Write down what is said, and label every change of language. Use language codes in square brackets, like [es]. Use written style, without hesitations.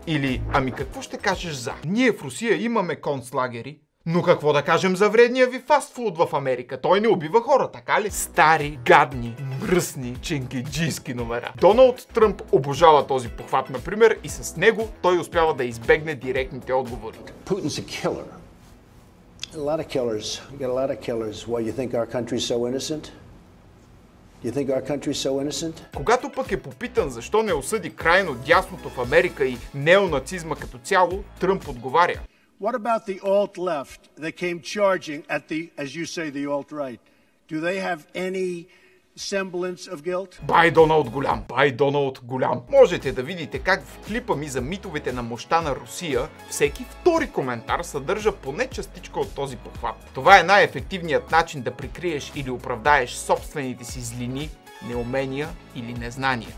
[bg] Или, ами какво ще кажеш за? Ние в Русия имаме концлагери, но какво да кажем за вредния ви фастфуд в Америка? Той не убива хора, така ли? Стари, гадни, мръсни, ченгеджийски номера. Доналд Тръмп обожава този похват, например, и с него той успява да избегне директните отговори. [en] Путин's a killer. A lot of killers. We got a lot of killers. Why you think our country's so innocent? You think our country's so innocent? [bg] Когато пък е попитан защо не осъди крайно дясното в Америка и неонацизма като цяло, Тръмп отговаря. [en] What about the alt-left that came charging at the, as you say, the alt-right? Do they have any semblance of guilt? [bg] Бай, Доналд голям! Бай, Доналд голям! Можете да видите как в клипа ми за митовете на мощта на Русия всеки втори коментар съдържа поне частичка от този похват. Това е най-ефективният начин да прикриеш или оправдаеш собствените си злини, неумения или незнания.